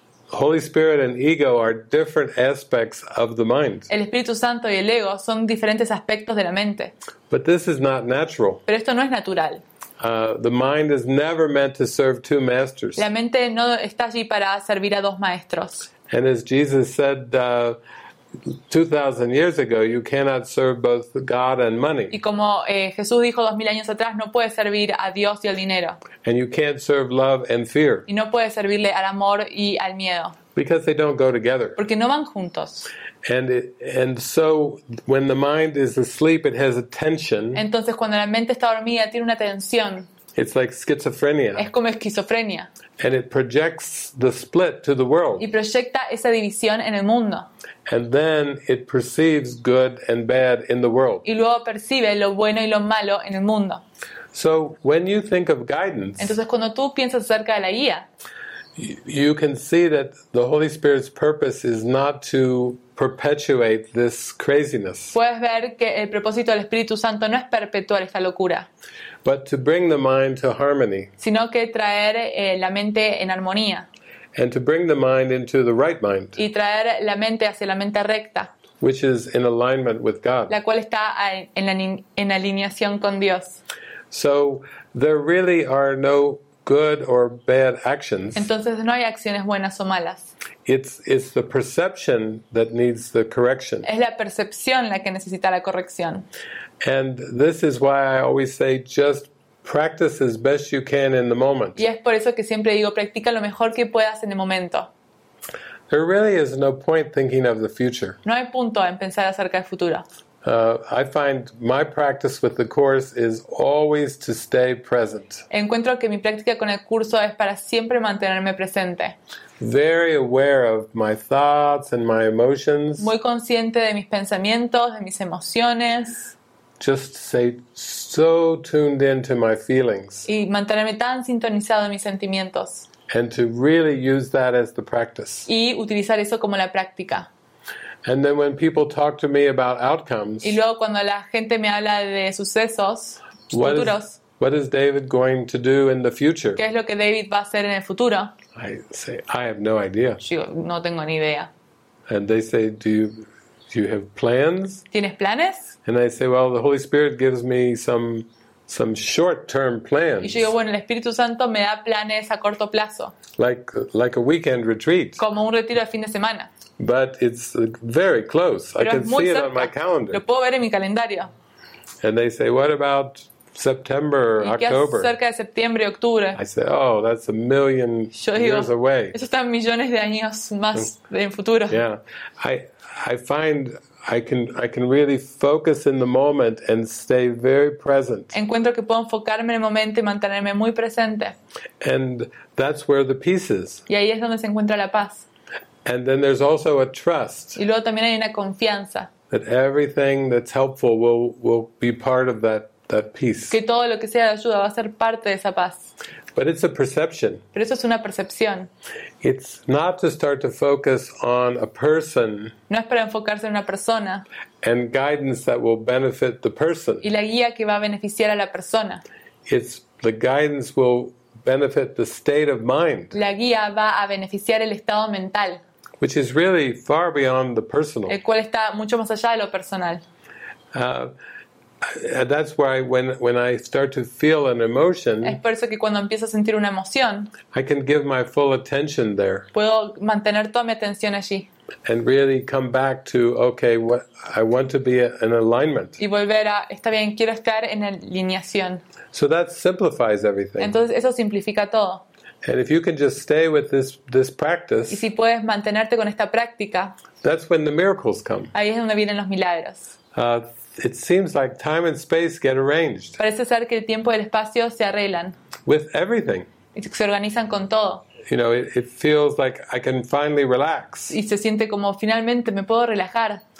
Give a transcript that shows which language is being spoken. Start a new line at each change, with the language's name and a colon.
English: Holy Spirit and ego are different aspects of the mind.
Spanish: El Espíritu Santo y el ego son diferentes aspectos de la mente.
English: But this is not natural.
Spanish: Pero esto no es natural.
English: The mind is never meant to serve two masters.
Spanish: La mente no está allí para servir a dos maestros.
English: And as Jesus said 2,000 years ago, you cannot serve both God and money.
Spanish: Y como Jesús dijo 2,000 años atrás, no puedes servir a Dios y al dinero.
English: And you can't serve love and fear.
Spanish: Y no puedes servirle al amor y al miedo.
English: Because they don't go together.
Spanish: Porque no van juntos.
English: And so when the mind is asleep, it has a tension.
Spanish: Entonces cuando la mente está dormida tiene una tensión.
English: It's like schizophrenia.
Spanish: Es como esquizofrenia.
English: And it projects the split to the world.
Spanish: Y proyecta esa división en el mundo.
English: And then it perceives good and bad in the world.
Spanish: Y luego percibe lo bueno y lo malo en el mundo.
English: So when you think of guidance,
Spanish: entonces cuando tú piensas acerca de la guía,
English: you can see that the Holy Spirit's purpose is not to perpetuate this craziness.
Spanish: Puedes ver que el propósito del Espíritu Santo no es perpetuar esta locura.
English: But to bring the mind to harmony.
Spanish: Sino que traer la mente en armonía.
English: And to bring the mind into the right mind.
Spanish: Y traer la mente hacia la mente recta.
English: Which is in alignment with God.
Spanish: La cual está en alineación con Dios.
English: So there really are no good or bad actions.
Spanish: Entonces no hay acciones buenas o malas.
English: It's the perception that needs the correction.
Spanish: Es la percepción la que necesita la corrección.
English: And this is why I always say just practice as best you can in the moment.
Spanish: Y es por eso que siempre digo practica lo mejor que puedas en el momento.
English: There really is no point thinking of the future.
Spanish: No hay punto en pensar acerca del futuro.
English: I find my practice with the course is always to stay present.
Spanish: Encuentro que mi práctica con el curso es para siempre mantenerme presente.
English: Very aware of my thoughts and my emotions.
Spanish: Muy consciente de mis pensamientos, de mis emociones.
English: Just stay so tuned into my feelings.
Spanish: Y mantenerme tan sintonizado en mis sentimientos.
English: And to really use that as the practice.
Spanish: Y utilizar eso como la práctica.
English: And then when people talk to me about outcomes,
Spanish: y luego cuando la gente me habla de sucesos futuros,
English: what is David going to do in the future?
Spanish: ¿Qué es lo que David va a hacer en el futuro?
English: I say, I have no idea.
Spanish: Yo no tengo ni idea.
English: And they say, do you have plans?
Spanish: ¿Tienes planes?
English: And I say, well, the Holy Spirit gives me some short-term plans.
Spanish: Y yo digo, bueno, el Espíritu Santo me da planes a corto plazo.
English: Like a weekend retreat.
Spanish: Como un retiro de fin de semana.
English: But it's very close.
Spanish: Pero
English: I can see
Spanish: cerca.
English: It on my calendar.
Spanish: Lo puedo ver en mi calendario.
English: And they say, what about September, October?
Spanish: ¿Y qué cerca de septiembre, octubre?
English: I say, oh, that's a million
Spanish: yo digo,
English: years away.
Spanish: Eso está millones de años más en futuro.
English: Yeah. I find I can really focus in the moment and stay very present.
Spanish: Encuentro que puedo enfocarme en el momento y mantenerme muy presente.
English: And that's where the peace is.
Spanish: Y ahí es donde se encuentra la paz.
English: And then there's also a trust.
Spanish: Y luego también hay una confianza.
English: That everything that's helpful will be part of that peace.
Spanish: Que todo lo que sea de ayuda va a ser parte de esa paz.
English: But it's a perception.
Spanish: Pero eso es una percepción.
English: It's not to start to focus on a person.
Spanish: No es para enfocarse en una persona.
English: And guidance that will benefit the person.
Spanish: Y la guía que va a beneficiar a la persona.
English: It's the guidance will benefit the state of mind.
Spanish: La guía va a beneficiar el estado mental.
English: Which is really far beyond the personal.
Spanish: El cual está mucho más allá de lo personal.
English: That's why when I start to feel an emotion,
Spanish: es por eso que cuando empiezo a sentir una emoción,
English: I can give my full attention there.
Spanish: Puedo mantener toda mi atención allí.
English: And really come back to, okay, what I want to be in alignment.
Spanish: Y volver a, está bien, quiero estar en alineación.
English: So that simplifies everything.
Spanish: Entonces eso simplifica todo.
English: And if you can just stay with this practice,
Spanish: y si puedes mantenerte con esta práctica,
English: that's when the miracles come.
Spanish: Ahí es donde vienen los milagros.
English: It seems like time and space get arranged.
Spanish: Parece ser que el tiempo y el espacio se arreglan.
English: With everything.
Spanish: Y se organizan con todo.
English: You know, it feels like I can finally relax.
Spanish: Y se siente como finalmente me puedo relajar.